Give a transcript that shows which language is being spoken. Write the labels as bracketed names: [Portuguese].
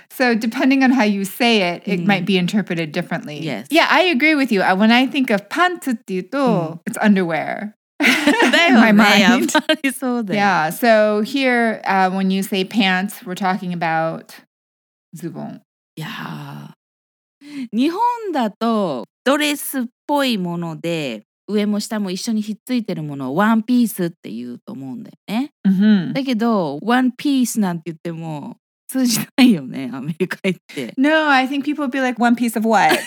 [English] So depending on how you say it, it might be interpreted differently. Yes. Yeah, I agree with you. When I think of pants [Japanese] って言うと, [English] it's underwear. In my mind. Yeah, so here, when you say pants, we're talking about ズボン. Yeah. [Japanese] 日本だとドレスっぽいもので、上も下も一緒にひっついてるものをワンピースって言うと思うんだよね。 Mm-hmm. だけど、ワンピースなんて言っても、通じないよね、アメリカ行って。 [English] No, I think people would be like, one piece of what?